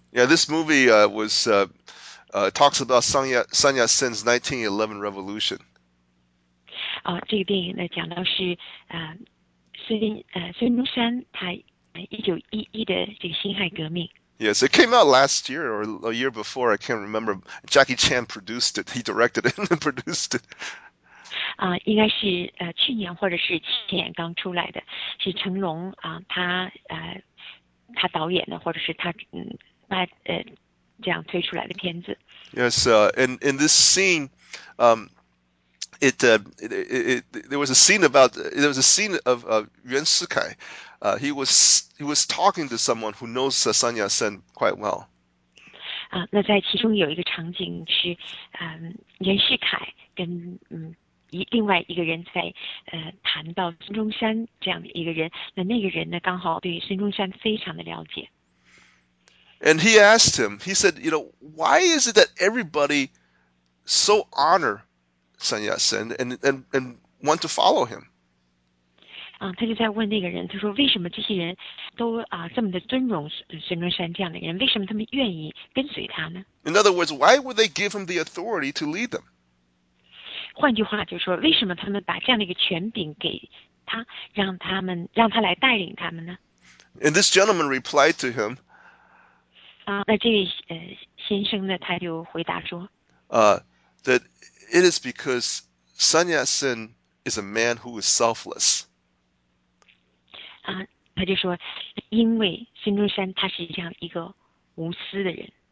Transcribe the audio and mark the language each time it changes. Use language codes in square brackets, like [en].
[en] Yeah, this movie talks about Sun Yat-sen's 1911 revolution. [zh] 这个电影呢讲到是孙中山他1911的这个辛亥革命。 [en] Yes, it came out last year or a year before, I can't remember. Jackie Chan produced it, he directed it and produced it. [zh] 应该是去年或者是前年刚出来的，是成龙他他导演的，或者是他他这样推出来的片子。 [en] Yes, in this scene, there was a scene about there was a scene of Yuan Shikai. He was talking to someone who knows Sun Yat-sen quite well. [zh] 啊，那在其中有一个场景是，袁世凯跟另外一个人在谈到孙中山这样的一个人，那个人呢刚好对孙中山非常的了解。 [en] And he asked him, he said, why is it that everybody so honor Sun Yat-sen and want to follow him? [zh] 他就在问那个人，他说为什么这些人都这么的尊荣孙中山这样的人，为什么他们愿意跟随他呢？ [en] In other words, why would they give him the authority to lead them? [zh] 换句话就是说，为什么他们把这样的一个权柄给他，让他来带领他们呢？ [en] And this gentleman replied to him, [zh] 那这位先生呢，他就回答说。 [en] That it is because Sun Yat-sen is a man who is selfless. [zh] 他就说，因为孙中山他是这样一个无私的人。